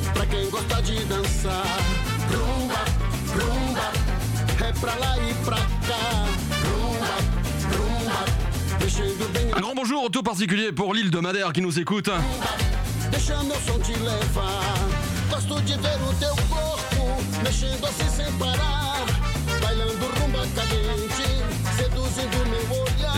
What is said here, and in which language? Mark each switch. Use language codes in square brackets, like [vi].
[pt] Quem gosta de dançar, rumba, rumba, é pra lá e pra cá. Rumba, rumba, [fr] un grand bonjour tout particulier pour l'île de Madère qui nous écoute. [pt] Rumba, deixa meu som te levar. Gosto de ver o teu corpo mexendo assim sem parar. Bailando rumba cadente, seduzindo meu olhar.